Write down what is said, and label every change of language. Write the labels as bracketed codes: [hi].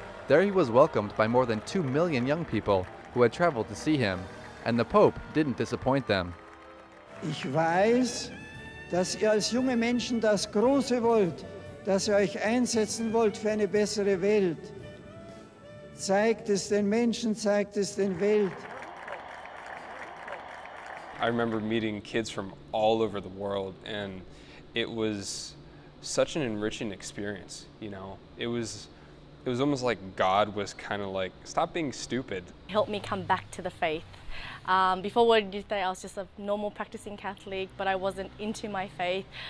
[en] There he was welcomed by more than 2 million young people who had traveled to see him, and the Pope didn't disappoint them. [de] Ich weiß, dass ihr als junge Menschen das Große wollt, dass ihr euch einsetzen wollt für eine bessere Welt. Zeigt es den Menschen, zeigt es den Welt. [en] I remember meeting kids from all over the world, and it was such an enriching experience, you know. It was almost like God was kind of like, stop being stupid. Helped me come back to the faith. Before World Youth Day, I was just a normal practicing Catholic, but I wasn't into my faith.